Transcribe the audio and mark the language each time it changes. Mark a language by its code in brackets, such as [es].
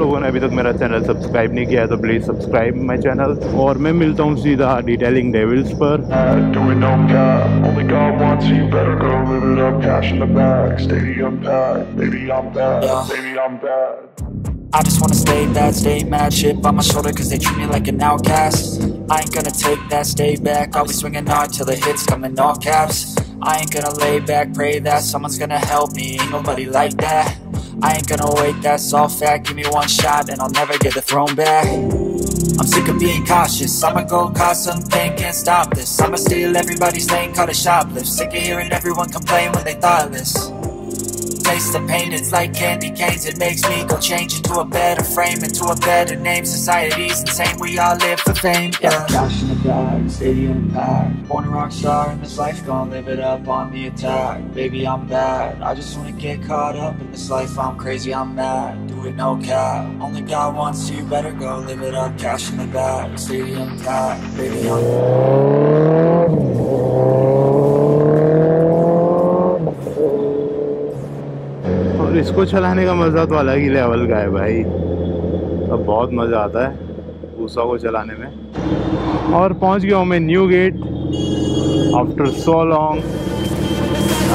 [hi] अभी तक मेरा चैनल सब्सक्राइब नहीं किया है तो [en] Please subscribe my channel. [hi] और मैं मिलता हूँ सीधा डिटेलिंग डेविल्स पर। [en] I just wanna stay that, stay mad, chip on my shoulder cause they treat me like an outcast. I ain't gonna take that, stay back, I'll be swinging hard till the hits come in all caps. I ain't gonna lay back, pray that someone's gonna help me, ain't nobody like that. I ain't gonna wait, that's all fact, give me one shot and I'll never get the throne back. I'm sick of being cautious, I'ma go cause some pain, can't stop this. I'ma steal everybody's lane, call it shoplift, sick of hearing everyone complain when they thoughtless. Taste the pain, it's like candy canes, it makes me go change into a better frame, into a better name. Society's insane, we all live for fame, yeah. Cash in the bag, stadium packed, born a rock star in this life, gonna live it up on the attack. Baby, I'm bad, I just wanna get caught up in this life, I'm crazy, I'm mad, do it no cap. Only got one, so you better go live it up. Cash in the bag, stadium packed, baby, I'm bad. [hi] इसको चलाने का मज़ा तो अलग ही level का है भाई, अब बहुत मज़ा आता है भूसा को चलाने में। और पहुंच गया हूँ मैं new get [en] After so long.